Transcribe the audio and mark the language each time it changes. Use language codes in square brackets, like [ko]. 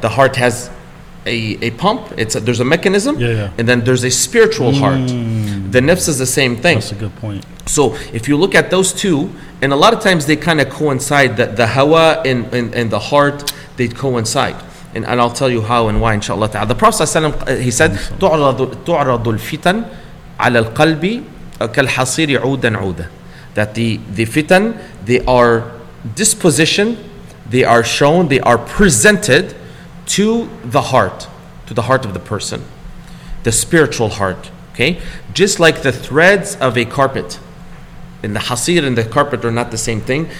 [en] The heart has a pump, there's a mechanism, and then there's a spiritual heart. The nafs is the same thing. That's a good point. So if you look at those two, and a lot of times they kind of coincide, that the hawa and the heart, they coincide. And I'll tell you how and why, inshallah. The Prophet ﷺ, he said, [ar] تُعْرَضُ الْفِتَنْ عَلَى الْقَلْبِ كَالْحَصِيرِ عُودًا عُودًا. [en] That the fitan, they are dispositioned, they are shown, they are presented to the heart of the person, the spiritual heart. Okay, just like the threads of a carpet, and the hasir and the carpet are not the same thing.